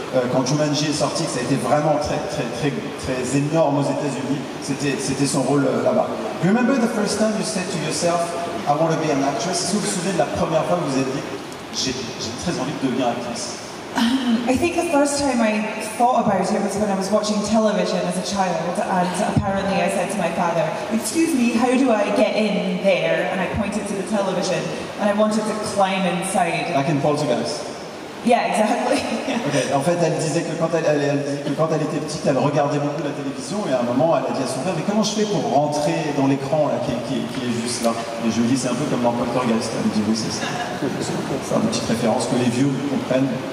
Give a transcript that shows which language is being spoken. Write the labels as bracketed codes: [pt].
[fr] Quand Jumanji est sorti, que ça a été vraiment très très très très énorme aux États-Unis, c'était son rôle là-bas. [en] You remember the first time you said to yourself, I want to be an actress? [fr] Est-ce que vous vous souvenez de la première fois que vous avez dit, j'ai très envie de devenir actrice? [en] I think the first time I thought about it was when I was watching television as a child, and apparently I said to my father, excuse me, how do I get in there? And I pointed to the television, and I wanted to climb inside. Like in Poltergeist. Yeah, exactly. Okay. [fr] En fait, elle disait que quand elle était petite, elle regardait beaucoup la télévision, et à un moment, elle a dit à son père, mais comment je fais pour rentrer dans l'écran là, qui est juste là? Et je lui dis, c'est un peu comme dans Poltergeist. Elle dit, oui, c'est ça. C'est une petite référence que les vieux comprennent.